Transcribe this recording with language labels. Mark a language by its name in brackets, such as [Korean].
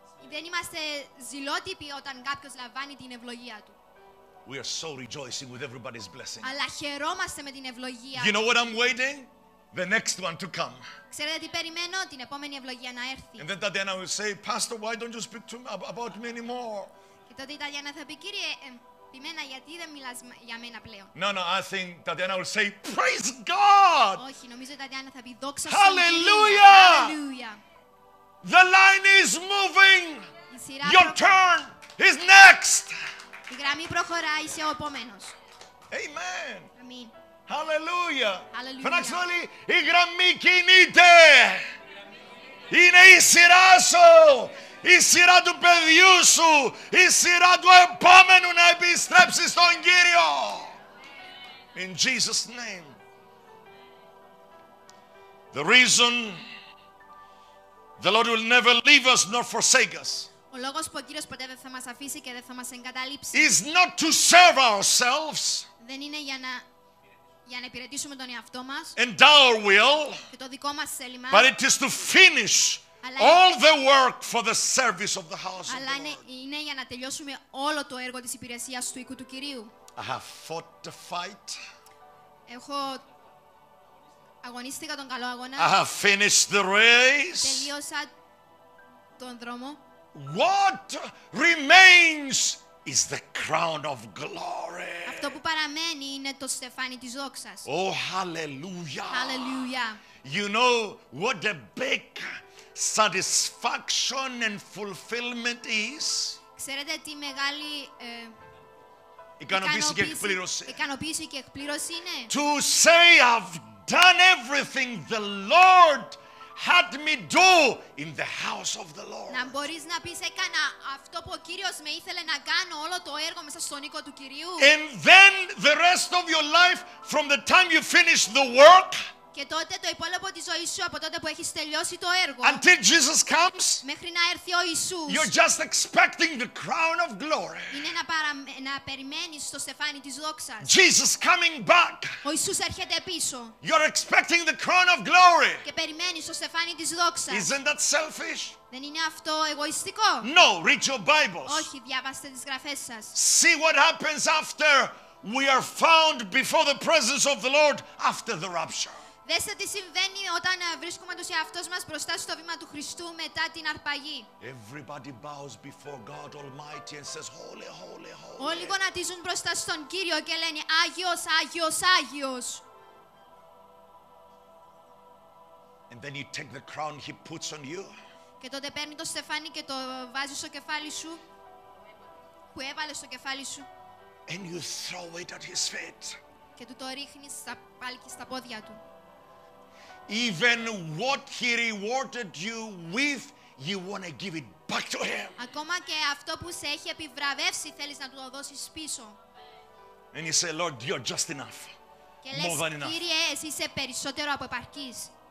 [Greek] Δεν είμαστε ζηλότυποι όταν κάποιος λαμβάνει την ευλογία του. [English] We are so rejoicing with everybody's blessing. [Greek] Αλλά χαιρόμαστε με την ευλογία. [English] You know what I'm waiting? The next one to come. [Greek] Ξέρετε τι περιμένω, την επόμενη ευλογία να έρθει. [English] And then Tatiana will say, Pastor, why don't you speak to me about me anymore? [Greek] Και τότε η Τατιάνα θα πει, Κύριε, επιμένα, γιατί δεν μιλάς για μένα πλέον. [English] No, no, I think Tatiana will say, Praise God! [Greek] Όχι, νομίζω η Τατιάνα θα πει, Δόξα στον [English] Hallelujah! [Greek] Hallelujah! [English] The line is moving! Your turn is next! [Greek] Η γραμμή προχωρά, είσαι ο επόμενος. [English] Amen! [Greek] Αμήν. [English] Hallelujah! [Greek] Hallelujah. Φωνάξτε όλοι, η γραμμή κινείται! Είναι η σειρά σου! Η σειρά του παιδιού σου! Η σειρά του επόμενου να επιστρέψεις στον Κύριο! [English] In Jesus' name. The reason the Lord will never leave us nor forsake us. [Greek] Ο λόγος που ο Κύριος ποτέ δεν θα μας αφήσει και δεν θα μας εγκαταλείψει. [English] Is not to serve ourselves. [Greek] Δεν είναι για να υπηρετήσουμε τον εαυτό μας. [English] And our will. [Greek] Και το δικό μας θέλημα. [English] But it is to finish all the work for the service of the house of the Lord. [Greek] Αλλά είναι για να τελειώσουμε όλο το έργο της υπηρεσίας του οίκου του Κυρίου. [English] I have fought the fight. [Greek] Έχω αγωνίστηκα τον καλό αγώνα. [English] I have finished the race. [Greek] Τελείωσα τον δρόμο. [English] What remains is the crown of glory. [Greek] Αυτό που παραμένει είναι το στεφάνι της δόξας. [English] Oh hallelujah. [Greek] Hallelujah. [English] You know what a big satisfaction and fulfillment is? [Greek] Ξέρετε τι μεγάλη ικανοποίηση και εκπλήρωση είναι? [English] To say I've done everything the Lord had me do in the house of the Lord. [Greek] Να μπορείς να πεις έκανα αυτό που ο Κύριος με ήθελε να κάνω όλο το έργο μέσα στον οίκο του Κυρίου. [English] And then the rest of your life from the time you finish the work. [Greek] Και τότε το υπόλοιπο της ζωής σου από τότε που έχεις τελειώσει το έργο. [English] Until Jesus comes. [Greek] Μέχρι να έρθει ο Ιησούς. [English] You're just expecting the crown of glory. [Greek] Είναι να περιμένεις το στεφάνι της δόξας. [English] Jesus coming back. [Greek] Ο Ιησούς έρχεται πίσω. [English] You're expecting the crown of glory. [Greek] Και περιμένεις το στεφάνι της δόξας. [English] Isn't that selfish? [Greek] Δεν είναι αυτό εγωιστικό? [English] No, read your Bibles. [Greek] Όχι, διαβάστε τις γραφές σας. [English] See what happens after we are found before the presence of the Lord after the rapture. [Greek] Δέστε τι συμβαίνει όταν βρίσκουμε τους εαυτούς μας μπροστά στο βήμα του Χριστού μετά την αρπαγή. [English] Everybody bows before God Almighty and says, Holy, Holy, Holy. [Greek] Όλοι γονατίζουν μπροστά στον Κύριο και λένε Άγιος, Άγιος, Άγιος. [English] And then you take the crown he puts on you. [Greek] Και τότε παίρνει το στεφάνι και το βάζει στο κεφάλι σου. Που έβαλε στο κεφάλι σου. [English] And you throw it at his feet. [Greek] Και του το ρίχνεις στα πάλκι στα πόδια του. [English] Even what he rewarded you with, you want to give it back to him. [Greek] Ακόμα και αυτό που σε έχει επιβραβεύσει, θέλεις να του το δώσεις πίσω. [English] And you say, Lord, you're just enough. More than enough. [Greek] Κύριε, εσύ είσαι περισσότερο από επαρκής.